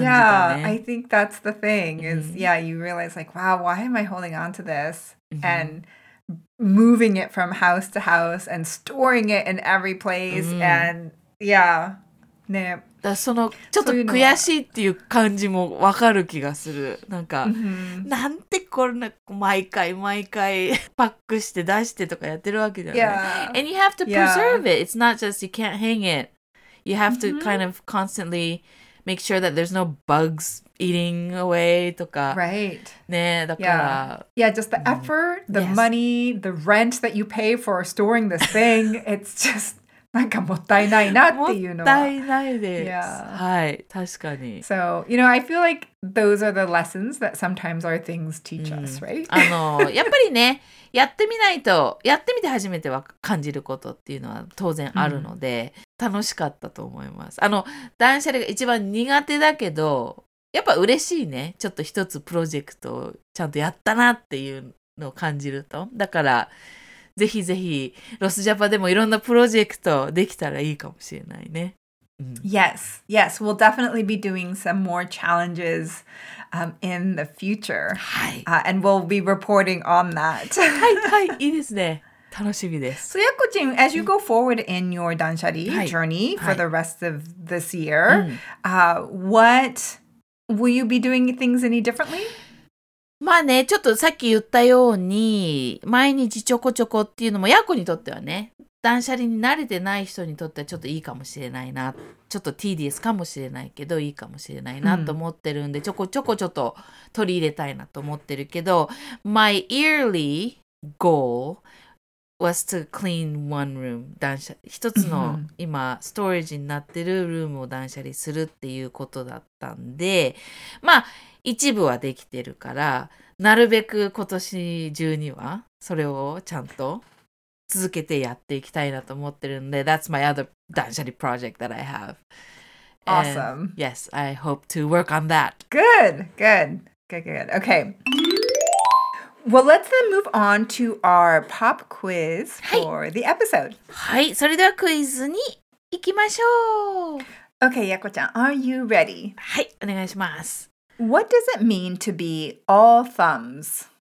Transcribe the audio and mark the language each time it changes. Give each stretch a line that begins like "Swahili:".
English: ね、yeah, I think that's the thing is,、mm-hmm. yeah, you realize like, wow, why am I holding on to this、 mm-hmm. and moving it from house to house and storing it in every place、 mm-hmm. and yeah,
Japanese: だそのちょっと悔しいっていう感じもわかる気がする。なんか、 mm-hmm. なんてこんな毎回毎回パックして出してとかやってるわけじゃない、
English: yeah. And you have to preserve、yeah. it. It's not just you can't hang it. You have to、mm-hmm. kind of constantly make sure that there's no bugs eating away とか、 right.
Japanese: ね、だから、
English: yeah. yeah, just the effort, the、yes. money, the rent that you pay for storing this thing. It's just
Japanese: なんかもったいないなっていうのは。もったいないです。
English: Yeah.
Japanese: はい、確かに。
English: So, you know, I feel like those are the lessons that sometimes our things teach us,、うん、right?
Japanese: あの、やっぱりね、やってみないと、やってみて初めては感じることっていうのは当然あるので、うん、楽しかったと思います。あの、断捨離が一番苦手だけど、やっぱ嬉しいね。ちょっと一つプロジェクトをちゃんとやったなっていうのを感じると。だから、ぜひぜひロスジャパでもいろんなプロジェクトできたらいいかもしれないね。うん、
English: yes, yes, we'll definitely be doing some more challenges、in the future.
Japanese: はい、
English: and we'll be reporting on that.
Japanese: はいはい、いいですね。楽しみです。
English: So, Yakuchin, as you go forward in your 断捨離 journey、はい、for the rest of this year,、はい、what will you be doing things any differently?
Japanese: まあね、ちょっとさっき言ったように、毎日ちょこちょこっていうのも、ヤコにとってはね、断捨離に慣れてない人にとってはちょっといいかもしれないな。ちょっと tedious かもしれないけど、いいかもしれないなと思ってるんで、うん、ちょこちょこちょっと取り入れたいなと思ってるけど、
English: my yearly goal was to clean one room,
Japanese: 断捨離。一つの今、ストレージになってるルームを断捨離するっていうことだったんで、まあ、一部はできてるから、なるべく今年中にはそれをちゃんと続けてやっていきたいなと思ってるんで、
English: That's my other 断捨離 project that I have. Awesome. And yes, I hope to work on that. Good, good, good, good. Okay. Well, let's then move on to our pop quiz for the episode.
Japanese: はい、それではクイズに行きましょう。
English: Okay, Yako-chan, are you ready?
Japanese: はい、お願いします。
English: What does it mean to be all thumbs?